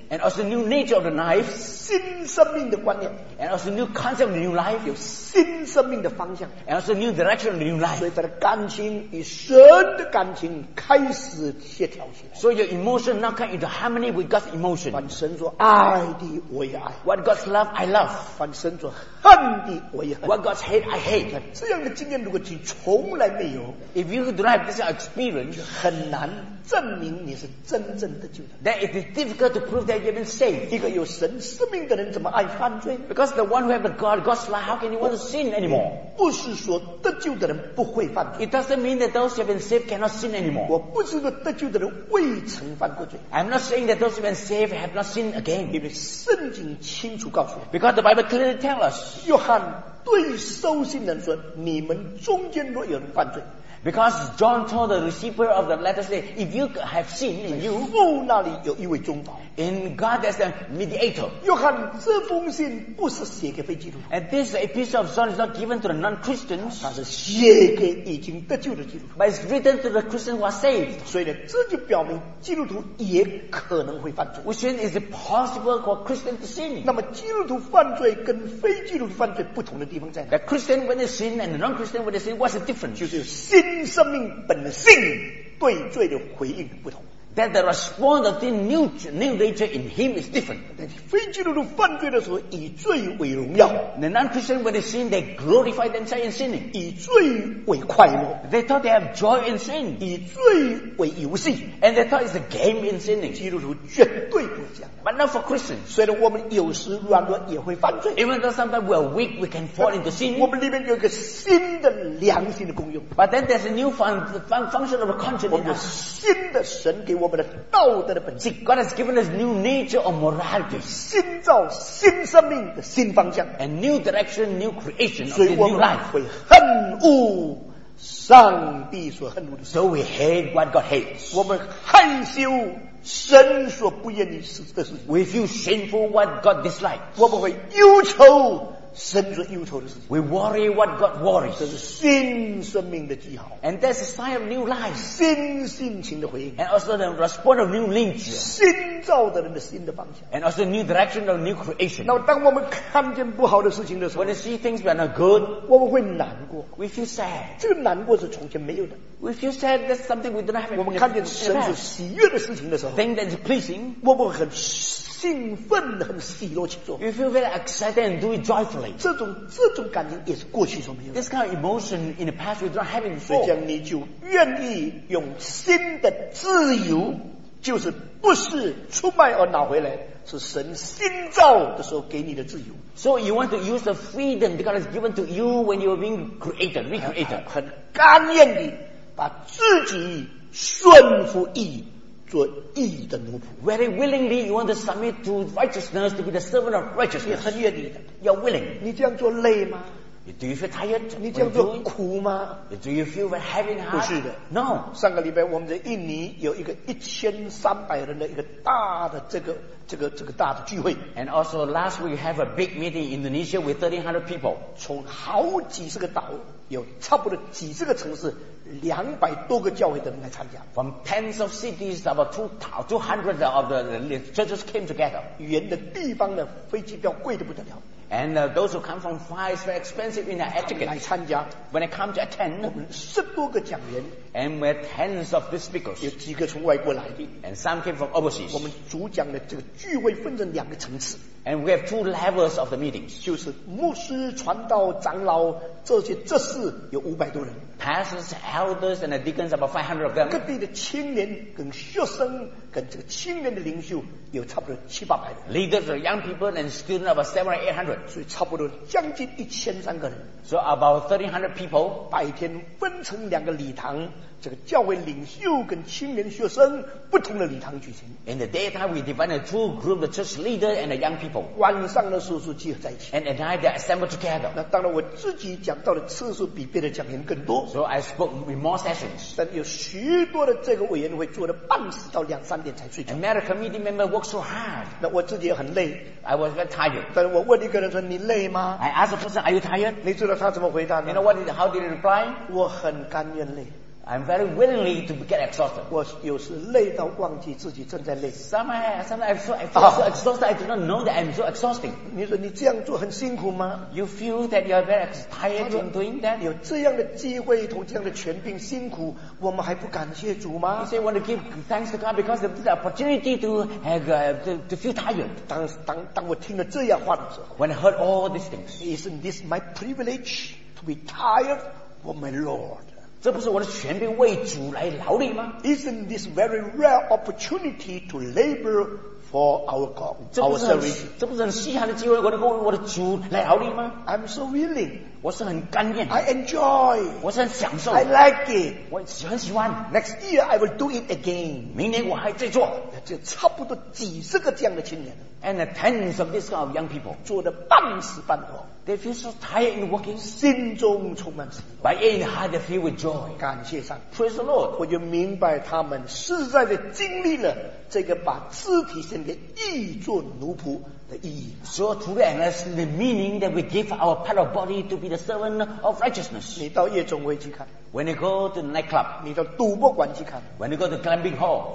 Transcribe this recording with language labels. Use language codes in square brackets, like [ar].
[en] And also new nature of the life， [zh] 新生命的观念。 [en] And also new concept of new life， [zh] 有新生命的方向。 [en] And also new direction of new life， [zh] 所以他的感情与神的感情开始协调起来。 [en] So your emotion now come into harmony with God's emotion。 [zh] 凡神所爱的，我也爱。 [en] What God's love, I love。 [zh] 凡神所恨的我也恨。 [en] What God's hate, I hate. [zh] 这样的经验如果你从来没有 [en] ，If you do not have this experience, [zh] 就很难证明你是真正的救的。 [en] Then it is difficult to prove that you've been saved. [zh] 一个有神生命的人怎么爱犯罪 [en] ？Because the one who have God, God's love, how can you want to sin anymore? [zh] 不是说得救的人不会犯罪。 [en] It doesn't mean that those who have been saved cannot sin anymore. [zh] 我不是说得救的人未曾犯过罪。 [en] I'm not saying that those who have been saved have not sinned again. [zh] 因为圣经清楚告诉我 [en] ，Because the Bible clearly tells us. [zh] 约翰对收信人说：“你们中间若有人犯罪 [en] ，because John told the receiver of the letter say, if you have sin in you, [zh] 父那里有一位中保 [en] ，in God as the mediator。” [zh] 约翰这封信不是写给非基督徒 [en] ，and this epistle of John is not given to the non-Christians， [zh] 它是写给已经得救的基督徒 [en] ，but it's written to the Christians who are saved。 [zh] 所以呢，这就表明基督徒也可能会犯罪。 [en] Which means is it possible for Christians to sin？ [zh] 那么基督徒犯罪跟非基督徒犯罪不同的地方在哪 [en] ？The Christian when they sin and the non-Christian when they sin, what's the difference？ [zh] 就是新生命本性对罪的回应不同。 [en] That the response of the new nature in him is different. [zh] 但是非基督徒犯罪的时候以罪为荣耀。 [en] The non-Christian when they sin, they glorify themselves in sinning. [zh] 以罪为快乐。 [en] They thought they have joy in sin. [zh] 以罪为游戏。 [en] And they thought it's a game in sinning. [zh] 基督徒绝对不这样。 [en] But not for Christians. [zh] 虽然我们有时软弱也会犯罪。 [en] Even though sometimes we are weak, we can fall into sin. [zh] 我们里面有一个新的良心的功用。 [en] But then there's a new function of a conscience. [zh] 我们有新的神给我们的道德的本性 [en] God has given us new nature of morality [zh] 新造新生命的新方向 [en] A new direction, new creation [zh] 所以我们会恨恶上帝所恨恶的 [en] So we hate what God hates [zh] 我们害羞神所不愿意的事情 [en] We feel shameful what God dislikes [zh] 我们会忧愁神所忧愁的事情 [en] We worry what God worries [zh] 这是新生命的记号 [en] And that's a sign of new life [zh] 新性情的回应 [en] And also the response of new nature [zh] 新造的人的新的方向 [en] And also new direction of new creation [zh] 那当我们看见不好的事情的时候 [en] When we see things that are not good [zh] 我们会难过 [en] We feel sad [zh] 这个难过是从前没有的 [en] We feel sad that's something we don't have [zh] 我们看见神所喜悦的事情的时候 [en] Thing that's pleasing [zh] 我们很兴奋的很喜乐去做 [en] You feel very excited and do it joyfully [zh] 这种感情也是过去所没有的 [en] This kind of emotion in the past we don't have it before [zh] 所以这样你就愿意用新的自由就是不是出卖而拿回来是神新造的时候给你的自由 [en] So you want to use the freedom that God has given to you when you are being created, recreated [zh] 很甘愿地把自己顺服义做义的奴仆 [en] Very willingly you want to submit to righteousness to be the servant of righteousness [zh] 你很愿意的 [en] You're willing [zh] 你这样做累吗 [en] Do you feel tired? [zh] 你这样做苦吗 [en] Do you feel very heavy heart? [zh] 不是的 [en] No [zh] 上个礼拜我们在印尼有一个1300人的一个大的这个大的聚会 [en] And also last week we have a big meeting in Indonesia with 1300 people [zh] 从好几十个岛有差不多几十个城市200多个教会的人来参加 [en] From tens of cities about 200 of the churches came together [zh] 远的地方的飞机票贵得不得了 [en] And those who come from far is very expensive in their etiquette [zh] 来参加 [en] When they come to attend [zh] 我们十多个讲员 [en] And we have tens of the speakers [zh] 有几个从外国来的 [en] And some came from overseas [zh] 我们主讲的这个聚会分成两个层次 [en] And we have two levels of the meetings [zh] 就是牧师传道长老这些这是有500多人 [en] Pastors, elders and deacons about 500 of them [zh] 各地的青年跟学生跟这个青年的领袖有差不多七八百人 [en] Leaders are young people and students about 700 or 800 [zh] 所以差不多将近1300个人 [en] So about 1300 people [zh] 白天分成两个礼堂这个教会领袖跟青年学生不同的礼堂举行。 [en] In the daytime, we divided into two groups: the church leader and the young people. [zh] 晚上的时候是集合在一起。 [en] And at night, they assemble together. [zh] 那当然，我自己讲到的次数比别的讲员更多。 [en] So I spoke in more sessions. [zh] 但有许多的这个委员会做了半死到两三点才睡觉。 [en] And many committee members work so hard. [zh] 那我自己也很累。 [en] I was very tired. [zh] 但我问一个人说：“你累吗？” [en] I asked the person, "Are you tired?" [zh] 你知道他怎么回答呢？ [en] You know what? How did he reply? [zh] 我很甘愿累。 [en] I'm very willingly to get exhausted. [zh] 我有时累到忘记自己正在累。 [en] Sometimes I feel so exhausted, I do not know that I'm so exhausting. [zh] 你说你这样做很辛苦吗？ [en] You feel that you are very tired in doing that? [zh] 有这样的机会同这样的权柄辛苦，我们还不感谢主吗？ [en] You say you want to give thanks to God because of the opportunity to have, to feel tired. [zh] 当我听了这样话的时候， [en] When I heard all these things, Isn't this my privilege to be tired for my Lord? [zh] 这不是我的权柄为主来劳力吗？ [en] Isn't this very rare opportunity to labor for our God, our service? [zh] 这不是很稀罕的机会，我能够为我的主来劳力吗？ [en] I'm so willing. [zh] 我是很甘愿。 [en] I enjoy. [zh] 我是很享受。 [en] I like it. [zh] 我很喜欢。 [en] Next year I will do it again. [zh] 明年我还再做。这差不多几十个这样的青年。 [en] And tens of this kind of young people. [zh] 做得半死半活。 [en] They feel so tired in working. [zh] 心中充满喜乐。 [en] By in heart they feel with joy. [zh] 感谢上。 [en] Praise the Lord. [zh] 我就明白他们实在地经历了这个把肢体献给义做奴仆的意义。 [en] So to realize the meaning that we give our part of body to be the servant of righteousness. [zh] 你到夜总会去看。 [en] When you go to the nightclub. [zh] 你到赌博馆去看。 [en] When you go to the climbing hall.